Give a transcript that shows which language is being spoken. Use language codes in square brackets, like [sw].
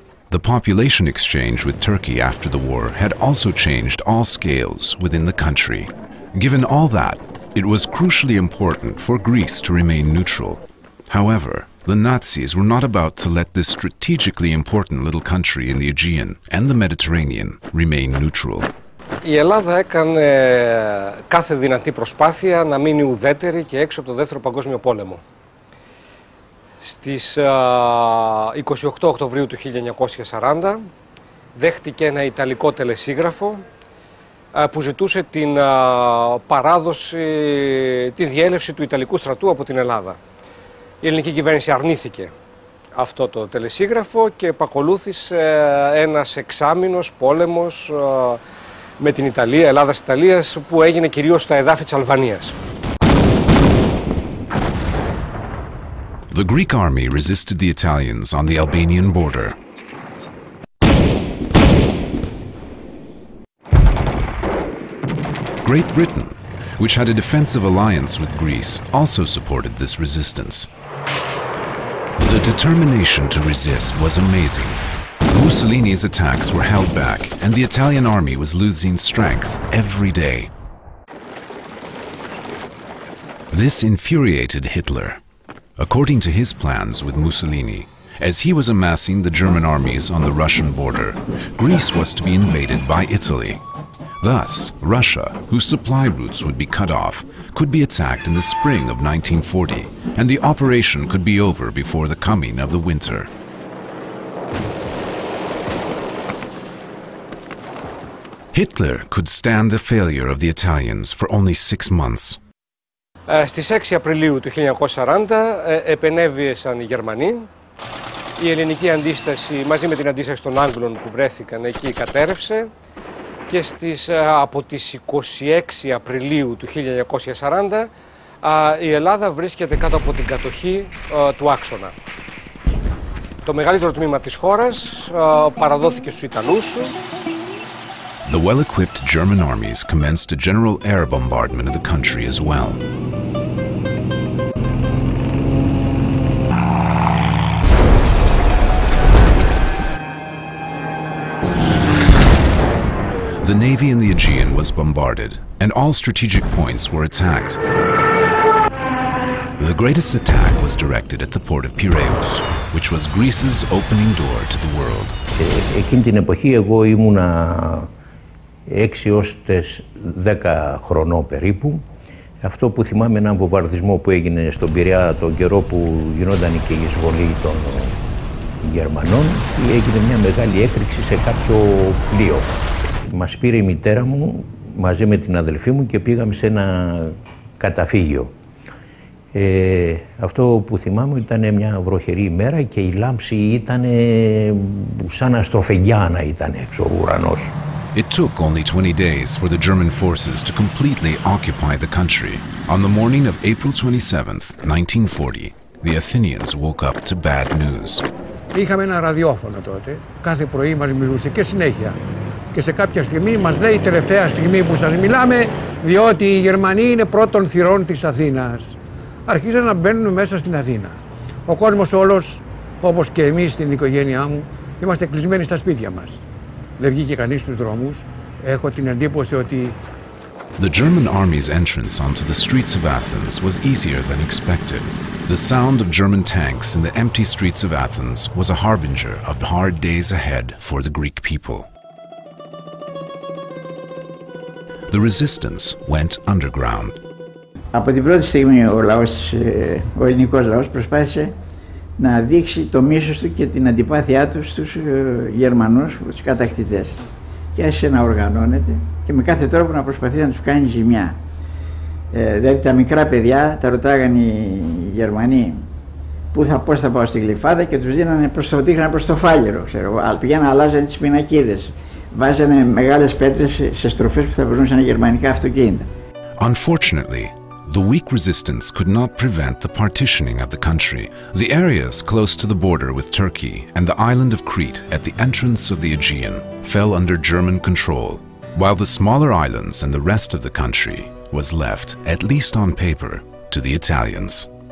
[en] The population exchange with Turkey after the war had also changed all scales within the country. Given all that, it was crucially important for Greece to remain neutral. However, the Nazis were not about to let this strategically important little country in the Aegean and the Mediterranean remain neutral. [el] Η Ελλάδα έκανε κάθε δυνατή προσπάθεια να μείνει ουδέτερη και έξω από το Δεύτερο Παγκόσμιο Πόλεμο. Στις 28 Οκτωβρίου του 1940 δέχτηκε ένα ιταλικό τελεσίγραφο που ζητούσε την παράδοση, τη διέλευση του ιταλικού στρατού από την Ελλάδα. Η ελληνική κυβέρνηση αρνήθηκε αυτό το τελεσίγραφο και επακολούθησε ένας εξάμηνος πόλεμος με την Ιταλία, Ελλάδας-Ιταλίας, που έγινε κυρίως στα εδάφη της Αλβανίας. [en] The Greek army resisted the Italians on the Albanian border. Great Britain, which had a defensive alliance with Greece, also supported this resistance. The determination to resist was amazing. Mussolini's attacks were held back, and the Italian army was losing strength every day. This infuriated Hitler. According to his plans with Mussolini, as he was amassing the German armies on the Russian border, Greece was to be invaded by Italy. Thus, Russia, whose supply routes would be cut off, could be attacked in the spring of 1940, and the operation could be over before the coming of the winter. Hitler could stand the failure of the Italians for only 6 months. [el] Στις 6 Απριλίου του 1940 επενέβησαν οι Γερμανοί. Η ελληνική αντίσταση μαζί με την αντίσταση των Άγγλων που βρέθηκαν εκεί κατέρευσε. Και από τις 26 Απριλίου του 1940 η Ελλάδα βρίσκεται κάτω από την κατοχή του Άξονα. Το μεγαλύτερο τμήμα της χώρας παραδόθηκε στους Ιταλούς. [en] The well-equipped German armies commenced a general air bombardment of the country as well. The navy in the Aegean was bombarded, and all strategic points were attacked. The greatest attack was directed at the port of Piraeus, which was Greece's opening door to the world. [el] Εκείνη την εποχή εγώ ήμουνα 6 ως 10 χρονών περίπου. Αυτό που θυμάμαι είναι έναν βομβαρδισμό που έγινε στον Πειραιά τον καιρό που γινόταν και η εισβολή των Γερμανών. Έγινε μια μεγάλη έκρηξη σε κάποιο πλοίο. Μας πήρε η μητέρα μου μαζί με την αδελφή μου και πήγαμε σε ένα καταφύγιο. Αυτό που θυμάμαι ήταν μια βροχερή ημέρα και η λάμψη ήταν σαν αστροφεγγιά να ήταν έξω ο ουρανός. [en] It took only 20 days for the German forces to completely occupy the country. On the morning of April 27th, 1940, the Athenians woke up to bad news. [el] Είχαμε ένα ραδιόφωνο τότε. Κάθε πρωί μας μιλούσε και συνέχεια. Και σε κάποια στιγμή μας λέει τελευταία στιγμή που σας μιλάμε, διότι οι Γερμανοί είναι πρώτων θυρών της Αθήνας. Αρχίζαν να μπαίνουν μέσα στην Αθήνα. Ο κόσμος όλος, όπως και εμείς στην οικογένειά μου, είμαστε κλεισμένοι στα σπίτια μας. Δεν βγήκε κανείς στους δρόμους. Έχω την εντύπωση ότι... [en] The German army's entrance onto the streets of Athens was easier than expected. The sound of German tanks in the empty streets of Athens was a harbinger of the hard days ahead for the Greek people. The resistance went underground. [el] Από την πρώτη στιγμή ο λαός, ο ελληνικός λαός προσπάθησε να δείξει το μίσος του και την αντιπάθειά του στους Γερμανούς, στους κατακτητές. Και άρχισε να οργανώνεται και με κάθε τρόπο να προσπαθεί να τους κάνει ζημιά. Δηλαδή τα μικρά παιδιά τα ρωτάγανε οι Γερμανοί πώς θα πάω στη Γλυφάδα και τους δίνανε προς το Φάλιρο, ξέρω. Πηγαίνανε, αλλάζανε τις πινακίδες. Βάζανε μεγάλες πέτρες σε στροφές που θα περνούσαν γερμανικά αυτοκίνητα. [en] Unfortunately, the weak resistance could not prevent the partitioning of the country. The areas close to the border with Turkey and the island of Crete at the entrance of the Aegean fell under German control, while the smaller islands and the rest of the country was left, at least on paper, to the Italians.